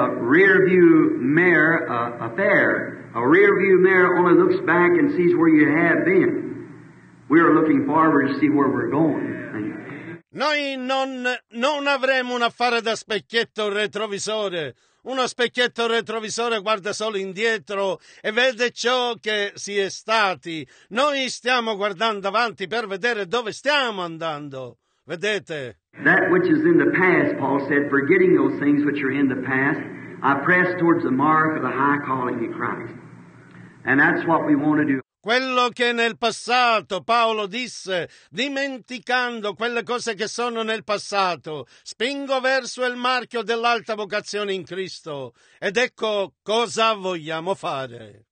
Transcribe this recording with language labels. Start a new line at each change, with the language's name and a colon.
English: We're not going to have a rear view mirror affair. A rear view mirror only looks back and sees where you have been. We are looking forward to see where we're going.
Italian: Noi non avremo un affare da specchietto retrovisore. Uno specchietto retrovisore guarda solo indietro e vede ciò che si è stati. Noi stiamo guardando avanti per vedere dove stiamo andando. Vedete?
English: That which is in the past, Paul said, forgetting those things which are in the past, I press towards the mark of the high calling in Christ. And that's what we want to do.
Italian: Quello che nel passato, Paolo disse, dimenticando quelle cose che sono nel passato, spingo verso il marchio dell'alta vocazione in Cristo. Ed ecco cosa vogliamo fare.